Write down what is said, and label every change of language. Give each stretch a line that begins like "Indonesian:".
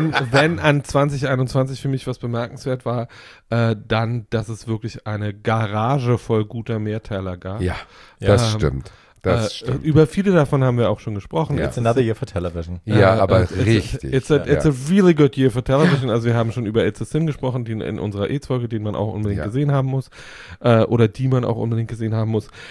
German: Wenn an 2021 für mich was bemerkenswert war, dann, dass es wirklich eine Garage voll guter Mehrteiler gab. Ja, das stimmt. Das stimmt. Über viele davon haben wir auch schon gesprochen.
English: It's another year for television.
German: Ja, aber richtig.
English: It's a really good year for television.
German: Also wir haben schon über It's a Sin gesprochen, die in unserer AIDS-Folge, den man auch unbedingt gesehen haben muss. Oder die man auch unbedingt gesehen haben muss.